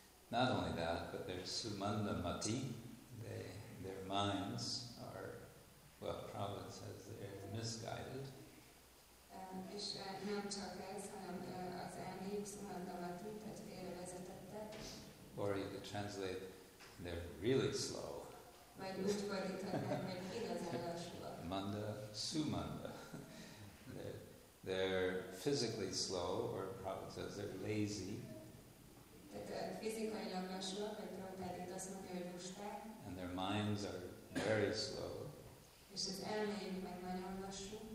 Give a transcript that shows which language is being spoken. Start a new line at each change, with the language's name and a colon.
English: Not only that, but they're sumanda mati, their minds are, well, Prabhupada says they're misguided.
Hungarian: És nem csak ez, hanem az elmélyük szumandamatú, tehát félrevezetettek.
English: Or you could translate, they're really slow.
Hungarian: Vagy úgy fordítanám, hogy igazán lassúak.
Sanskrit: Manda, sumanda.
English: They're physically slow, or Prabhupada says they're lazy.
Hungarian: Tehát fizikailag lassúak, vagy Prabhupada azt mondja, hogy lusták.
English: And their minds are very slow.
Hungarian: És az elmélyük meg nagyon lassú.